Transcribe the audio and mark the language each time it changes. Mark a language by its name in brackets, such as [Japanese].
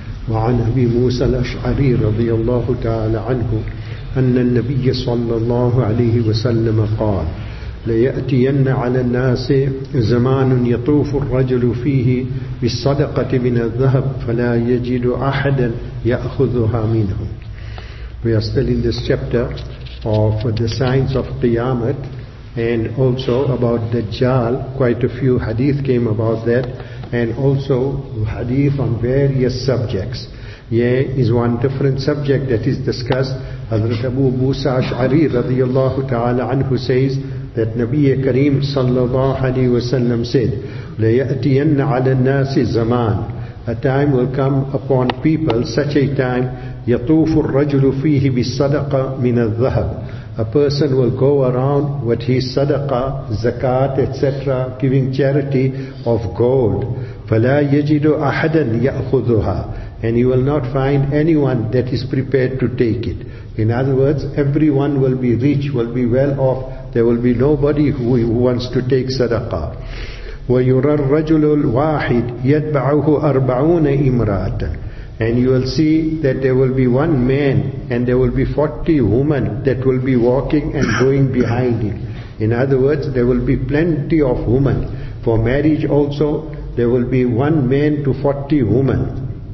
[Arabic] وعن أبي موسى الأشعري رضي الله تعالى عنه أن النبي صلى الله عليه وسلم قال: ليأتين على الناس زمان يطوف الرجل فيه بالصدقة من الذهب فلا يجد أحدا يأخذها منه. [English] We are still in this chapter of the signs of Qiyamah and also about Dajjal. Quite a few hadith came about that, and also hadith on various subjects. Yeah, is one different subject that is discussed. Hazrat Abu Musa Ash'ari radiyallahu ta'ala anhu says that Nabiya Kareem sallallahu alayhi wa sallam said, [Arabic] لَيَأْتِيَنَّ عَلَى النَّاسِ زَمَانِ. [English] A time will come upon people, such a time, [Arabic] يَطُوفُ الرَّجُلُ فِيهِ بِالصَّدَقَةِ مِنَ الذَّهَبِ. [English] A person will go around with his sadaqah, zakat, etc., giving charity of gold. [Arabic] فَلَا يَجِدُ أَحَدًا يَأْخُذُهَا. [English] And he will not find anyone that is prepared to take it. In other words, everyone will be rich, will be well off. There will be nobody who wants to take sadaqah. [Arabic] وَيُرَى الرَّجُلُ الْوَاحِدِ يَتْبَعُهُ أَرْبَعُونَ إِمْرَاتًا. [English] And you will see that there will be one man and there will be 40 women that will be walking and going behind him. In other words, there will be plenty of women. For marriage also, there will be one man to 40 women.